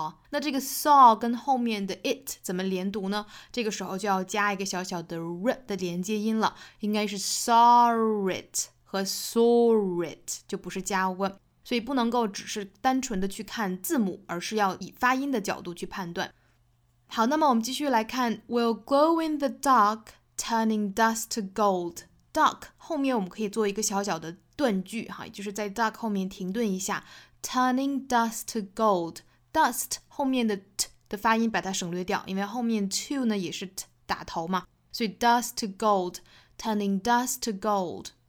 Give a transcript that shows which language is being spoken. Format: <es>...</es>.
<zh>那这个 saw 跟后面的 it 怎么连读呢？这个时候就要加一个小小的 r 的连接音了，应该是 saw it 和 saw it， 就不是加 w。所以不能够只是单纯的去看字母，而是要以发音的角度去判断。</zh> <en>好，那么我们继续来看 We'll glow in the dark, turning dust to gold.</en> <zh>Dark 后面我们可以做一个小小的断句，也就是在 dark 后面停顿一下。 Turning dust to gold. Dust 后面的 t 的发音把它省略掉，因为后面 to 呢也是 t 打头嘛，所以 dust to gold, turning dust to gold。</zh>